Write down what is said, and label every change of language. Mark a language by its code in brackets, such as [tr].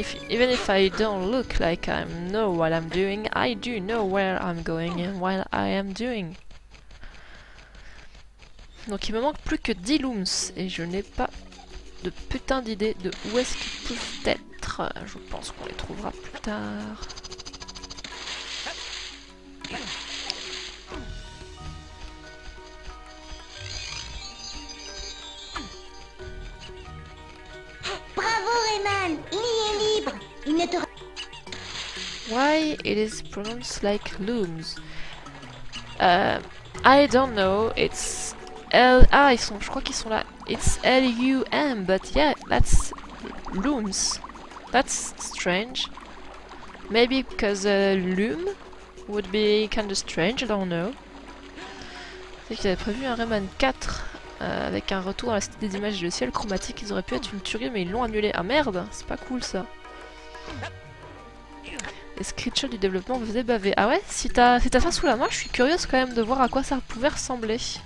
[en] Even if I don't look like I know what I'm doing, I do know where I'm going and what I am doing. [fr] Donc il me manque plus que 10 looms et je n'ai pas de putain d'idée de où est-ce qu'ils peuvent être. Je pense qu'on les trouvera plus tard. Bravo Rayman, Lee est libre. Il ne te... [en] Why it is pronounced like looms? I don't know, it's... L... [fr] Ah, ils sont, je crois qu'ils sont là. [en] It's L-U-M, but yeah, that's looms. That's strange. Maybe because loom would be kind of strange, I don't know. [fr] C'est qu'ils avaient prévu un Rayman 4 avec un retour à la cité des images et le ciel chromatique. Ils auraient pu être une tuerie, mais ils l'ont annulé. Ah merde, c'est pas cool ça. Les screenshots du développement me faisaient baver. Ah ouais, si t'as ça sous la main, je suis curieuse quand même de voir à quoi ça pouvait ressembler.